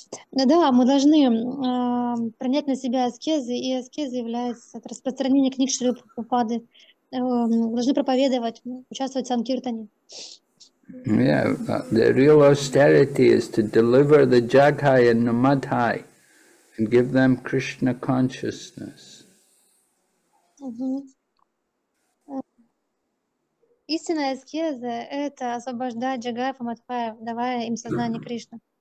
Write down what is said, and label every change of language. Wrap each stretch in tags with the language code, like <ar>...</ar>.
<ru>Да, мы должны принять на себя аскезы, и аскезы являются распространение книг Шри Прабхупады. Должны проповедовать, участвовать в санкиртане.</ru> <en>Yeah, the real austerity is to deliver the jaghai and the madhai and give them Krishna consciousness.</en> <ru>Истинная аскеза – это освобождать джагаев и матхаев, давая им сознание Кришны.</ru>